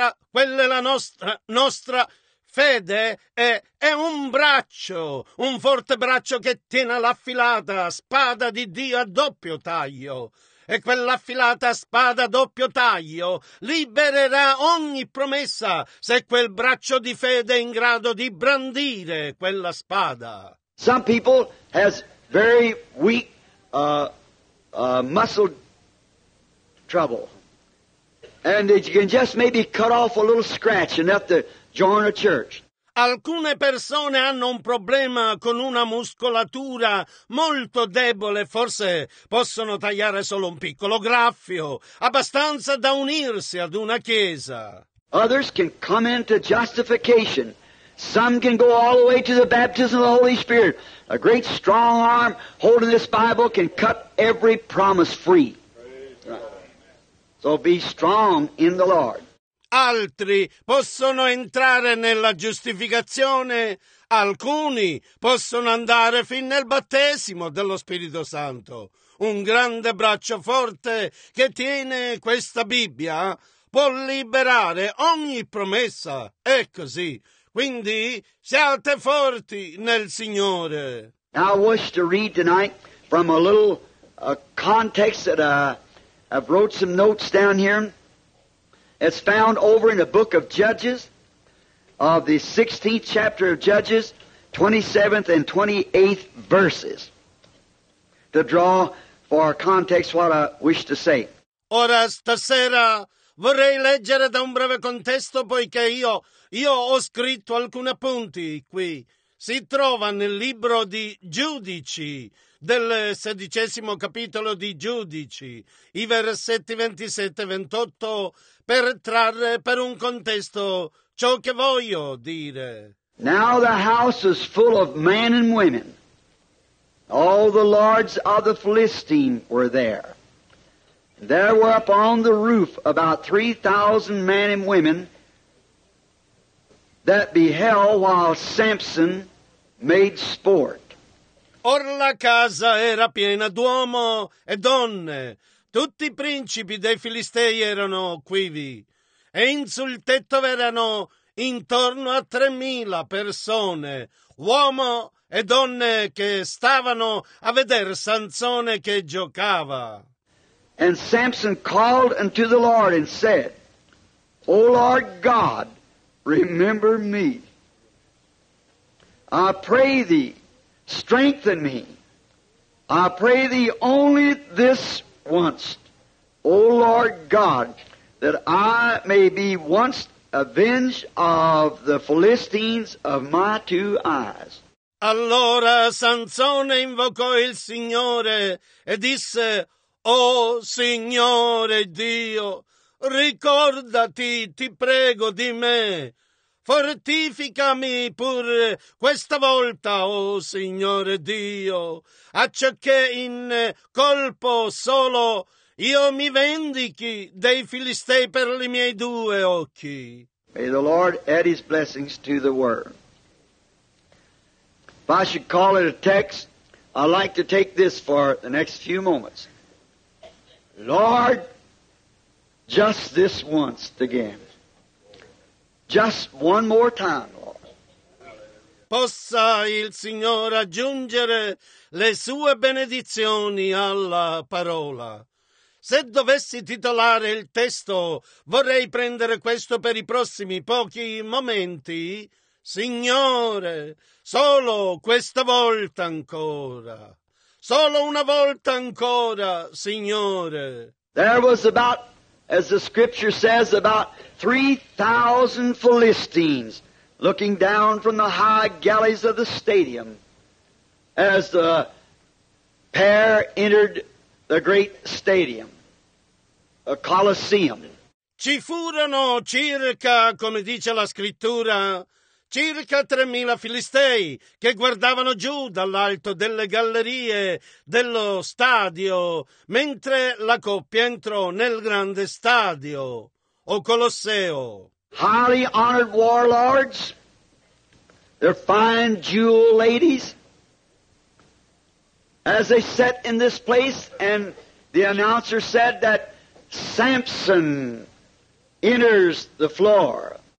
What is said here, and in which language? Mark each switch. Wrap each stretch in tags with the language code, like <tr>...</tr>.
<it>Quella è la nostra fede è un braccio, un forte braccio che tiene l'affilata spada di Dio a doppio taglio. E quell'affilata spada a doppio taglio libererà ogni promessa se quel braccio di fede è in grado di brandire quella spada.</it> <en>Some people has very weak muscle trouble. And you can just maybe cut off a little scratch enough to join a church.</en> <it>Alcune persone hanno un problema con una muscolatura molto debole, forse possono tagliare solo un piccolo graffio, abbastanza da unirsi ad una chiesa.</it> <en>Others can come into justification. Some can go all the way to the baptism of the Holy Spirit. A great strong arm holding this Bible can cut every promise free. So be strong in the Lord.</en> <it>Altri possono entrare nella giustificazione, alcuni possono andare fin nel battesimo dello Spirito Santo. Un grande braccio forte che tiene questa Bibbia può liberare ogni promessa. È così. Quindi siate forti nel Signore.</it> <en>Now I wish to read tonight from a little context that I've wrote some notes down here. It's found over in the book of Judges, of the 16th chapter of Judges, 27th and 28th verses, to draw for our context what I wish to say.</en> <it>Ora stasera vorrei leggere da un breve contesto, poiché io ho scritto alcuni appunti qui. Si trova nel libro di Giudici, del 16° capitolo di Giudici, i versetti 27 e 28, per trarre per un contesto ciò che voglio dire.</it> <en>Now the house is full of men and women. All the lords of the Philistine were there. There were upon the roof about 3,000 men and women that beheld while Samson made sport.</en> <it>Or la casa era piena d'uomo e donne. Tutti i principi dei Filistei erano quivi. E in sul tetto erano intorno a 3,000 persone, uomo e donne, che stavano a veder Sansone che giocava.</it> <en>And Samson called unto the Lord and said, O Lord God, remember me, I pray thee, strengthen me, I pray thee only this once, O Lord God, that I may be once avenged of the Philistines of my two eyes.</en> <it>Allora Sansone invocò il Signore e disse, O Signore Dio, ricordati, ti prego, di me. Fortificami pur questa volta, o Signore Dio, acciocché in colpo solo io mi vendichi dei Filistei per i miei due occhi.</it> <en>May the Lord add his blessings to the word. If I should call it a text, I'd like to take this for the next few moments. Lord, just this once again. Just one more time, Lord.</en> <it>Possa il Signore aggiungere le sue benedizioni alla parola. Se dovessi titolare il testo, vorrei prendere questo per i prossimi pochi momenti. Signore, solo questa volta ancora. Solo una volta ancora, Signore.</it> <en>There was about, as the scripture says, about 3,000 Philistines looking down from the high galleys of the stadium as the pair entered the great stadium, a Colosseum.</en> <it>Ci furono circa, come dice la scrittura, circa 3,000 Filistei che guardavano giù dall'alto delle gallerie dello stadio mentre la coppia entrò nel grande stadio, o Colosseo.</it> <en>Highly honored warlords, their fine jewel ladies, as they sat in this place, and the announcer said that Samson enters the floor.</en>